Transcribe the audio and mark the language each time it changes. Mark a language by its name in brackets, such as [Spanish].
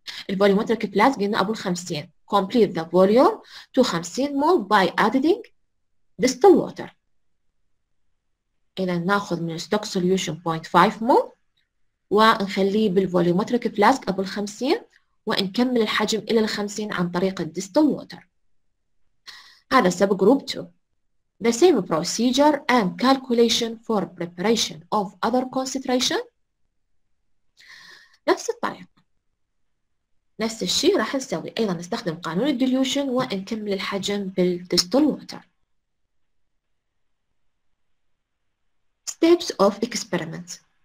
[Arabic] الفوليومتريك فلاسك قلنا ابو 50، [English] complete the volume to 50 مول by adding distilled water. [Arabic] اذا ناخذ من الستوك سوليوشن 0.5 مول ونخليه بالفوليومتريك فلاسك ابو 50، ونكمل الحجم الى ال 50 عن طريق الديستل ووتر. هذا سب جروب 2. [English] The same procedure and calculation for preparation of other concentration. [Arabic] نفس الطريقة، نفس الشيء راح نسوي، أيضا نستخدم قانون الديليوشن ونكمل الحجم بالديستل ووتر. [English] Steps of experiment.